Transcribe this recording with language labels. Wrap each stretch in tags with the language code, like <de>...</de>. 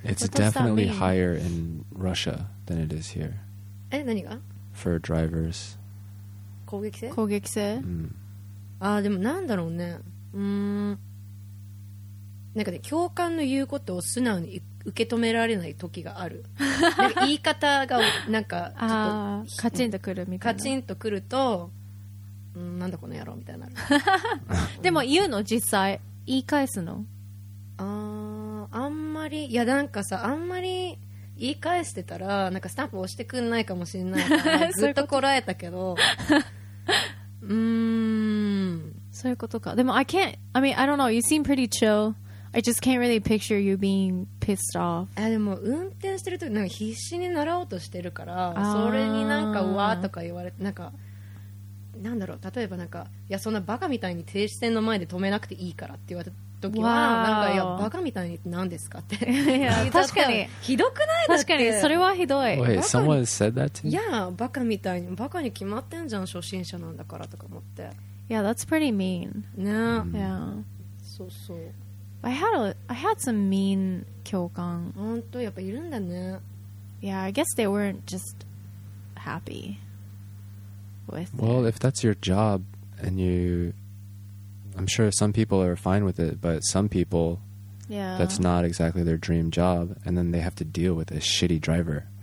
<en>It's definitely higher in Russia than it is here.</en> <ja>え、何が？</ja> <en>For drivers.</en> <ja>攻撃性、うん、ああでもなんだろうね、うーん、なんかね、教官の言うことを素直に受け止められない時がある、言い方がなんかちょっとあ、カチンとくるみたいな、カチンとくると、うん、なんだこの野郎みたいな、でも言うの、実際言い返すの、あんまり、いや、なんかさ、あんまり言い返してたらなんかスタンプ押してくんないかもしれないからずっとこらえたけど、そういうことか、でも</ja> <en>I can't, I mean I don't know, you seem pretty chill, I just can't really picture you being pissed off、</en> <ja>でも運転してるときなんか必死になろうとしてるから、それになんかわーとか言われて、なんかなんだろう、例えばなんか、いやそんなバカみたいに停止線の前で止めなくていいからって言われた時はなんか、いやバカみたいに何ですかって確かにひどくない、確かにそれはひどい。</ja> <en>Wait, someone said that to</en> <ja>me? いやバカみたいに、バカに決まってんじゃん初心者なんだからとか思って。</ja> <en>Yeah, that's pretty mean.</en> <ja>ね、</ja> <en>yeah. Yeah.</en> <ja>そうそう、</ja> <en>I had some mean 教官。</en> <ja>本当やっぱいるんだね。</ja> <en>Yeah, I guess they weren't just happy with it. Well, if that's your job and youI'm sure some people are fine with it, but some people, yeah, that's not exactly their dream job, and then they have to deal with a shitty driver.</en>